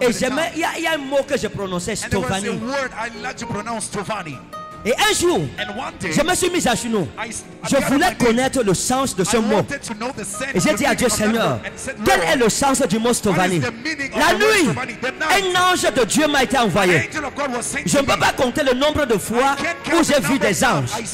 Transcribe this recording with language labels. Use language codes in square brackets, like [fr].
[fr] Et j'aimais, il y a un mot que je prononçais, Stovani. [en] And there was a word I like to pronounce, Stovani. [fr] Et un jour, [en] and one day, [fr] je me suis mis à genoux. Je voulais connaître le sens de ce mot. Et j'ai dit à Dieu, Seigneur, quel est le sens du mot Stovani? La nuit, un ange de Dieu m'a été envoyé. Je ne peux pas compter le nombre de fois où j'ai vu des anges.